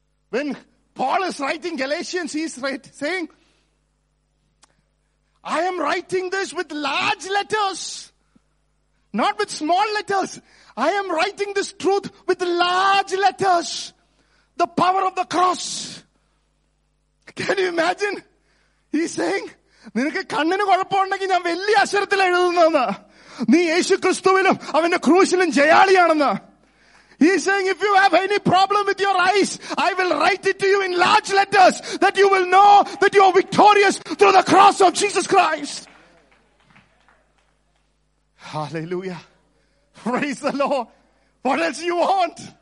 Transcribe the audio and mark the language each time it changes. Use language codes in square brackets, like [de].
[en] When Paul is writing Galatians, he's saying, I am writing this with large letters, not with small letters. I am writing this truth with large letters. The power of the cross. Can you imagine? He's saying, [ml] നിനക്ക് കണ്ണിന് കുഴപ്പമുണ്ടെങ്കിൽ ഞാൻ വലിയ അക്ഷരത്തിൽ എഴുതുന്ന നീ യേശു ക്രിസ്തുവിലും അവന്റെ ക്രൂശിലും ജയാളിയാണെന്ന്. [en] He's saying, if you have any problem with your eyes, I will write it to you in large letters that you will know that you are victorious through the cross of Jesus Christ. Hallelujah. Praise the Lord. What else do you want?